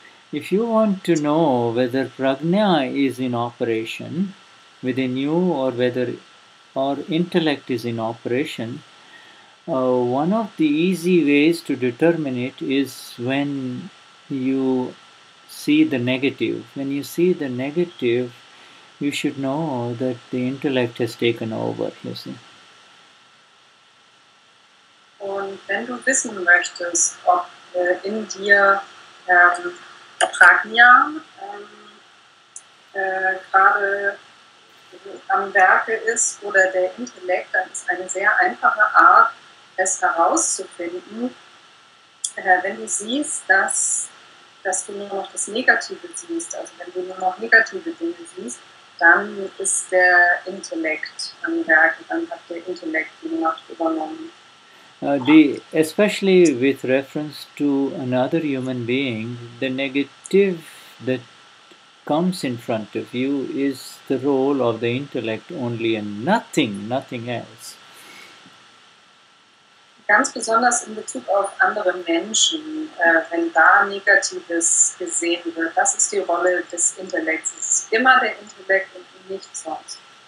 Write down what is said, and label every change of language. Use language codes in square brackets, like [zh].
[en] If you want to know whether prajna is in operation within you or whether our intellect is in operation, one of the easy ways to determine it is when you see the negative. When you see the negative, you should know that the intellect has taken over, you see. [de] Wenn du wissen möchtest, ob in dir Prajna gerade am Werke ist oder der Intellekt, dann ist eine sehr einfache Art, es herauszufinden, wenn du siehst, dass du nur noch das Negative siehst, also wenn du nur noch negative Dinge siehst, dann ist der Intellekt am Werke, dann hat der Intellekt die Macht übernommen. [en] Especially with reference to another human being, the negative that comes in front of you is the role of the intellect only and nothing else. [de] Ganz besonders in Bezug auf andere Menschen, wenn da Negatives gesehen wird, das ist die Rolle des Intellekts. Es ist immer der Intellekt und nichts sonst.